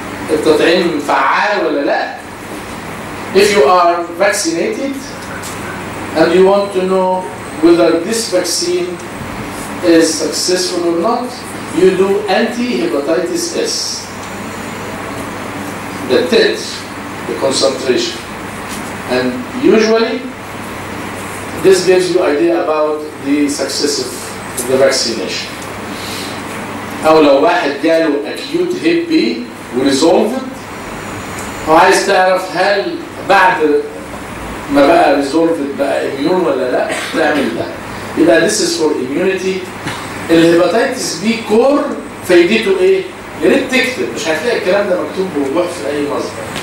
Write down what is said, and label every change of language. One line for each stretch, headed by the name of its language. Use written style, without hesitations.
Arabic: التطعيم فعال ولا لا
English: If you are vaccinated and you want to know whether this vaccine is successful or not, you do anti-hepatitis S. The TET, the concentration. And usually, this gives you idea about the success of the vaccination.
Arabic: أو لو واحد جاله
English: acute hep B resolved,
Arabic: وعايز تعرف هل بعد ما بقى ريزولفد بقى اميون ولا لا تعمل ده يبقى
English: this is for immunity
Arabic: الهيباتيتس بي كور فايدته ايه؟ يا ريت تكتب مش هتلاقي الكلام ده مكتوب بوضوح في اي مصدر